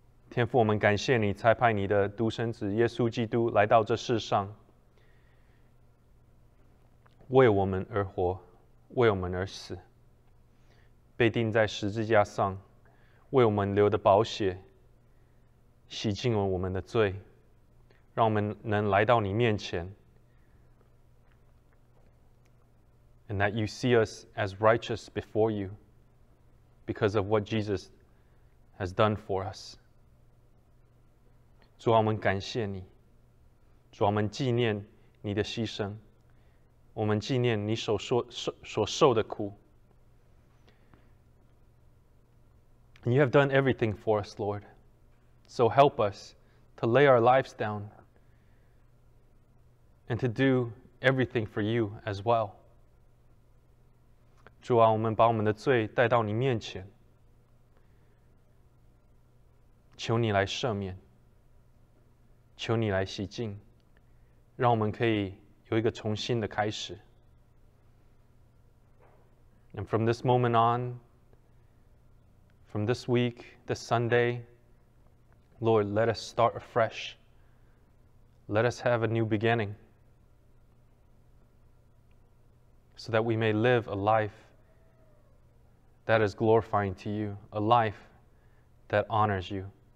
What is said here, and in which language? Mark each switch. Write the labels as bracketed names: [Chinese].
[Chinese] 天父，我们感谢你差派你的独生子耶稣基督来到这世上，为我们而活，为我们而死，被钉在十字架上，为我们流的宝血，洗净了我们的罪，让我们能来到你面前。 [English] And that you see us as righteous before you because of what Jesus has done for us. [Chinese] 主啊，我们感谢你。主啊，我们纪念你的牺牲。我们纪念你所受的苦。 [English] And you have done everything for us, Lord. So help us to lay our lives down and to do everything for you as well. [Chinese] 主啊，我们把我们的罪带到你面前，求你来赦免，求你来洗净，让我们可以有一个重新的开始。 [English] And from this moment on, from this week, this Sunday, Lord, let us start afresh. Let us have a new beginning, so that we may live a lifeThat is glorifying to you, a life that honors you.